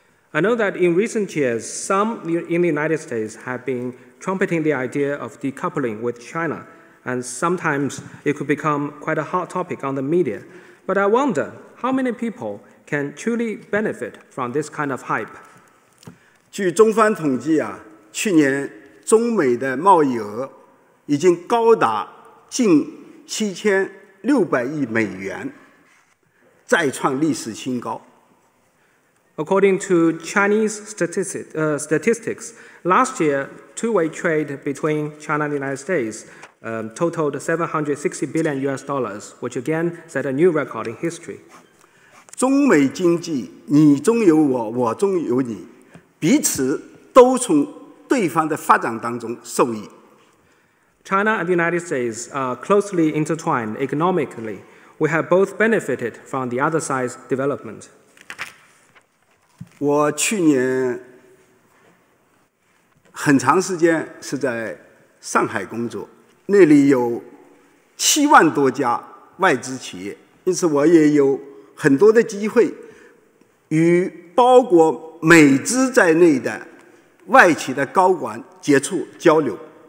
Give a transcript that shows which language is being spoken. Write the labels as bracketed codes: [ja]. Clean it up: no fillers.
[en] I know that in recent years, some in the United States have been trumpeting the idea of decoupling with China, and sometimes it could become quite a hot topic on the media. But I wonder how many people can truly benefit from this kind of hype. [zh] 据中方统计啊，去年中美的贸易额已经高达近7600亿美元，再创历史新高。 [en] According to Chinese statistics, last year, two-way trade between China and the United States totaled $760 billion, which again set a new record in history. [zh] 中美经济，你中有我，我中有你，彼此都从对方的发展当中受益。 [en] China and the United States are closely intertwined economically. We have both benefited from the other side's development. [zh] 我去年很长时间是在上海工作，那里有70000多家外资企业，因此我也有很多的机会与包括美资在内的外企的高管接触交流。